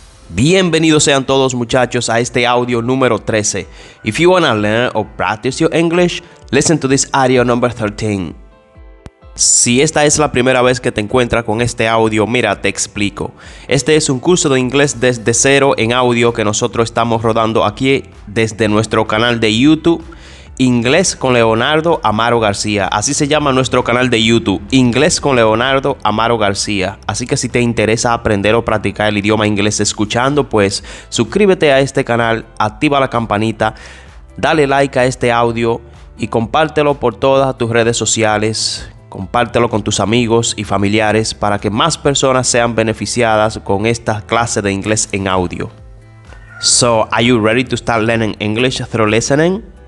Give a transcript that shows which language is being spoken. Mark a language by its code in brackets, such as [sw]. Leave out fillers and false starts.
[es] Bienvenidos sean todos muchachos a este audio número 13. [en] If you want to learn or practice your English, listen to this audio number 13. [es] Si esta es la primera vez que te encuentras con este audio, mira, te explico. Este es un curso de inglés desde cero en audio que nosotros estamos rodando aquí desde nuestro canal de YouTube, Inglés con Leonardo Amaro García. Así se llama nuestro canal de YouTube, Inglés con Leonardo Amaro García. Así que si te interesa aprender o practicar el idioma inglés escuchando, pues suscríbete a este canal, activa la campanita, dale like a este audio y compártelo por todas tus redes sociales. Compártelo con tus amigos y familiares para que más personas sean beneficiadas con esta clase de inglés en audio. [en] So, are you ready to start learning English through listening?